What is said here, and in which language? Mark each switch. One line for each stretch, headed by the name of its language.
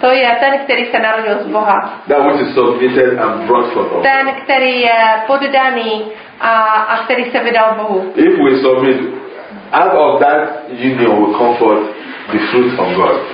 Czech: To je ten, který se narodil z Boha.
English: That which is submitted and brought forth.
Czech: Ten, který je poddaný a který se vydal Bohu.
English: If we submit, out of that union will come forth the fruit of God.